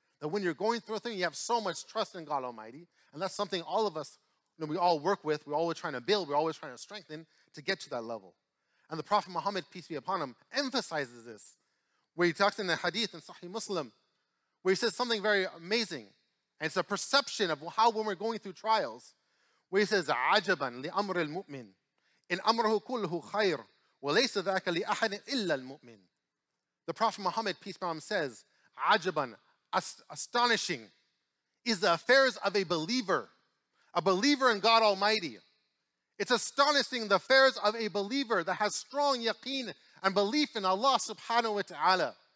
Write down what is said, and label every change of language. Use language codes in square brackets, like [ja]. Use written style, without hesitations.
[en] That when you're going through a thing, you have so much trust in God Almighty. And that's something all of us, you know, we all work with, we're always trying to build, we're always trying to strengthen to get to that level. And the Prophet Muhammad, peace be upon him, emphasizes this. Where he talks in the hadith in Sahih Muslim, where he says something very amazing. And it's a perception of how when we're going through trials, where he says, [ar] عَجَبًا لِأَمْرِ الْمُؤْمِنِ إن أمره كله خير وليس ذاك لأحد إلا المؤمن. [en] The Prophet Muhammad, peace be upon him, says, عجباً, astonishing, is the affairs of a believer in God Almighty. It's astonishing the affairs of a believer that has strong yaqeen and belief in Allah subhanahu wa ta'ala.